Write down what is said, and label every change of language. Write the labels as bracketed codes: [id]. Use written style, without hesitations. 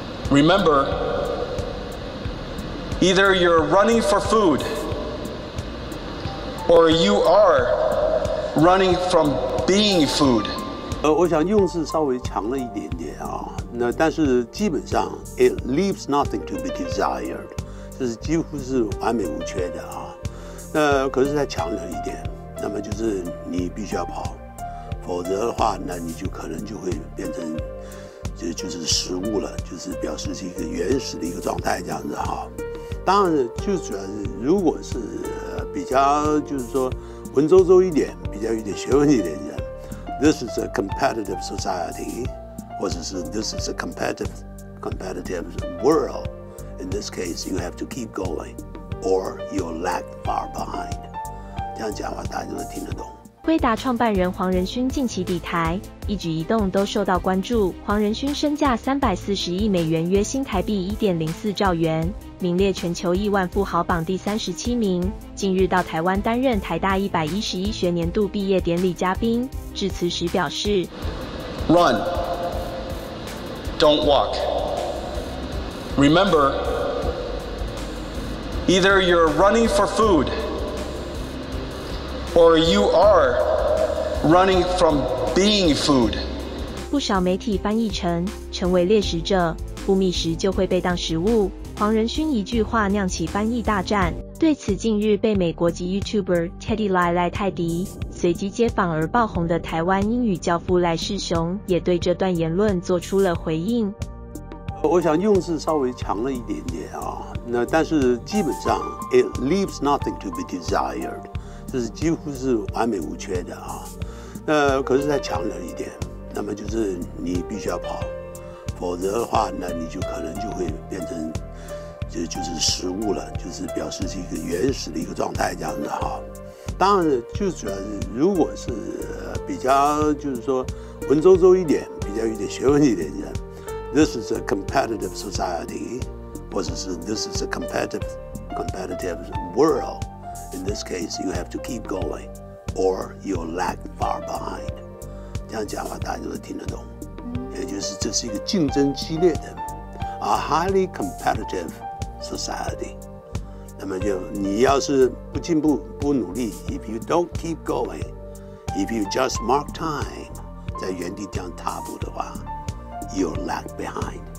[en] Remember, either you're running for food or you are running from being food. [zh] 我想用字稍微强了一点点啊，那但是基本上 [en] it leaves nothing to be desired， [zh] 就是几乎是完美无缺的啊。那可是再强了一点，那么就是你必须要跑，否则的话，那你就可能就会变成就是食物了，就是表示是一个原始的一个状态这样子哈。当然，就主要是如果是比较就是说文绉绉一点，比较有点学问一点的人。 [en] This is a competitive society， [zh] 或者是 [en] This is a competitive world。 In this case， you have to keep going， or you lag far behind。 [zh] 这样讲话大家都听得懂。硅达创办人黄仁勋近期抵台，一举一动都受到关注。黄仁勋身价340亿美元，约新台币1.04兆元，名列全球亿万富豪榜第37名。近日到台湾担任台大111学年度毕业典礼嘉宾，致辞时表示 [en] ：“Run, don't walk. Remember, either you're running for food, or you are running from being food.” [zh] 不少媒体翻译成为猎食者，不觅食就会被当食物。黄仁勋一句话酿起翻译大战，对此近日被美国籍 YouTuber Teddy Lai 赖泰迪随即接访而爆红的台湾英语教父赖世雄也对这段言论做出了回应。我想用字稍微强了一点点啊，那但是基本上 it leaves nothing to be desired， 就是几乎是完美无缺的啊。那可是再强了一点，那么就是你必须要跑，否则的话，那你就可能就会变成就是食物了，就是表示是一个原始的一个状态这样子哈。当然，就主要是如果是比较就是说文绉绉一点，比较有点学问一点的人 ， [en] This is a competitive society， [zh] 或者是 [en] This is a competitive world。 In this case， you have to keep going， or you lag far behind。 [zh] 这样讲的话，大家都听得懂，也就是这是一个竞争激烈的 ， [en] a highly competitive。 Society， [zh] 那么就你要是不进步不努力 [en] ，if you don't keep going，if you just mark time， [zh] 在原地这样踏步的话 [en] ，you'll lag behind。